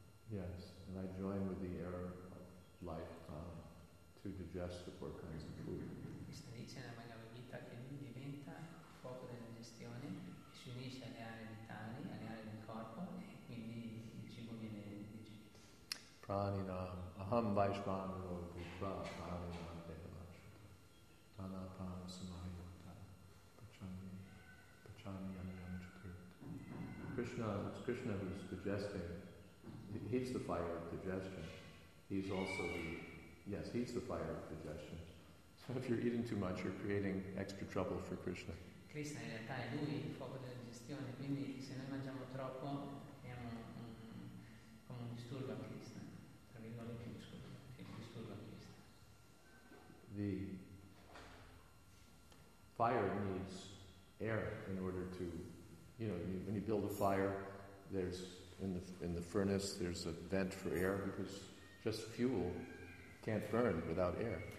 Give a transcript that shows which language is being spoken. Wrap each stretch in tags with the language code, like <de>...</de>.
<en>Yes, and I join with the air of life to digest the four kinds of food.</en> <it>Krishna dice nella Bhagavad Gita che lui diventa fuoco della digestione, si unisce alle aree vitali, alle aree del corpo, e quindi il cibo viene digerito.</it> <sa>Praninam, aham vaishvanaro bhutva, praninam devamashvata, dana pana samayata, pachami yamyam chaturta.</sa> <en>Krishna, it's Krishna who's digesting. He's the fire of digestion. He's also the, yes, he's the fire of digestion. So if you're eating too much, you're creating extra trouble for Krishna.</en> <it>Krishna in realtà è lui il fuoco della digestione, quindi se noi mangiamo troppo abbiamo come un disturbo a Krishna, tra virgolette un disturbo a Krishna.</it> <en>The fire needs air in order to, you know, when you build a fire, there's in the furnace there's a vent for air because just fuel can't burn without air.</en>